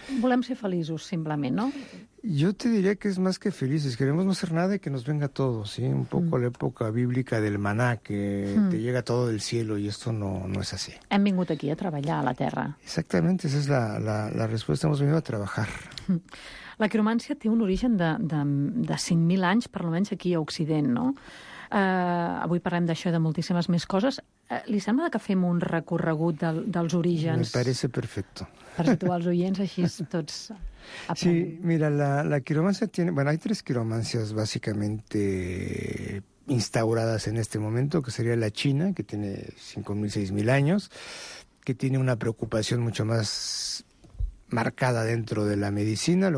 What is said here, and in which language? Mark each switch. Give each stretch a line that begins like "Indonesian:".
Spanish: Volemos ser felices, simplemente, ¿no? Yo te diría que es más que felices. Queremos no hacer nada y que nos venga todo, ¿sí? Un poco la época bíblica del maná, que te llega todo del cielo, y esto no es así.
Catalan: Hem vingut aquí a treballar a la terra.
Spanish: Exactamente, esa es la respuesta. Hemos venido a trabajar.
Catalan: La quiromància té un origen de 5.000 anys, per almenys aquí a Occident, no? Avui parlem d'això i de moltíssimes més coses. Li sembla que fem un recorregut dels orígens?
Spanish: Me parece perfecto.
Catalan: Per situar els oients així tots...
Spanish: Sí, mira, la quiromancia tiene... Bueno, hay tres quiromancias básicamente instauradas en este momento, que sería la china, que tiene 5.000, 6.000 años, que tiene una preocupación mucho más marcada dentro de la medicina.